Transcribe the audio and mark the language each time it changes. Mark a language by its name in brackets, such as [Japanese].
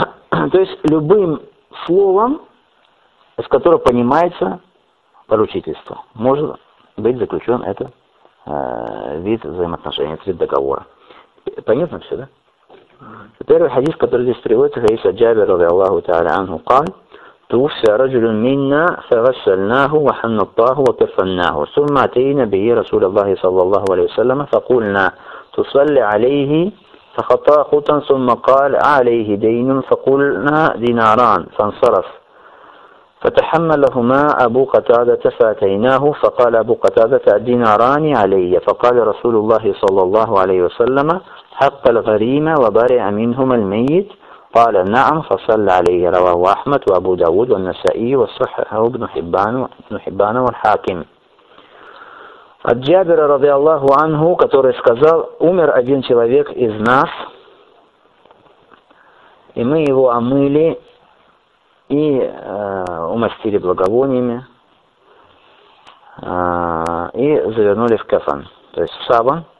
[Russian] То есть любым словом, с которого понимается поручительство, может быть заключен этот вид взаимоотношений, этот вид договора. Понятно все, да? Первый хадис, который здесь приводится, хадис от Джабира, ради Аллаху Та'аля, анху, каль, [Arabic] توفي رجل منا فغسلناه وحنطاه وكفناه، ثم أتينا به رسول الله صلى الله عليه وسلم فقلنا تصلي عليه، فخطأ خطا ثم قال عليه دين، فقلنا ديناران، فانصرف. فتحملهما أبو قتادة فأتيناه فقال أبو قتادة ديناران علي، فقال رسول الله صلى الله عليه وسلم حق الغريمة وبرئ منهما الميت، قال نعم، فصلى عليه. رواه أحمد وأبو داود والنسائي وصححه ابن حبان والحاكم. [Russian] От Джабира, ради Аллаху Ангу, который сказал, умер один человек из нас, и мы его омыли и умастили благовониями, и завернули в кафан, то есть в саван.